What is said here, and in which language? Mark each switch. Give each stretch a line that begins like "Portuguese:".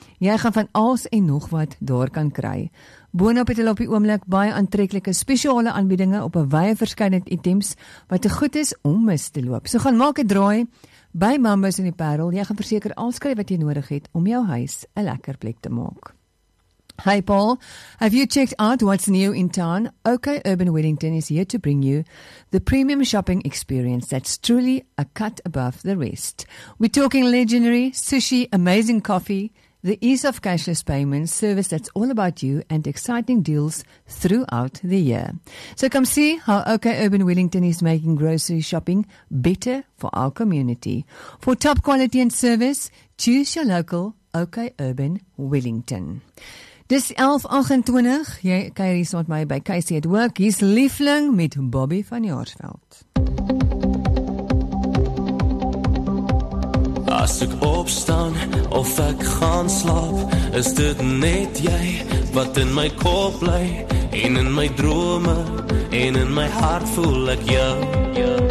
Afrikaans: Jy gaan van alles en nog wat daar kan kry. Boonop het hulle op die oomblik baie aantreklike spesiale aanbiedinge op 'n wye verskeidenheid items wat te goed is om mis te loop. So gaan maak 'n draai. By Mambo's in die Parel, jy gaan verseker aanskryf wat jy nodig het om jou huis 'n lekker plek te maak.
English: Hi Paul, have you checked out what's new in town? OK Urban Wellington is here to bring you the premium shopping experience that's truly a cut above the rest. We're talking legendary sushi, amazing coffee, the ease of cashless payments, service that's all about you, and exciting deals throughout the year. So come see how OK Urban Wellington is making grocery shopping better for our community. For top quality and service, choose your local OK Urban Wellington.
Afrikaans: Dis 11:28, jy kuier hier met my by KC at Work. Hier's Liefling met Bobby van Jaarsveld. As ek opstaan of ek gaan slaap, is dit net jy wat in my kop bly. En in my drome en in my hart voel ek jou.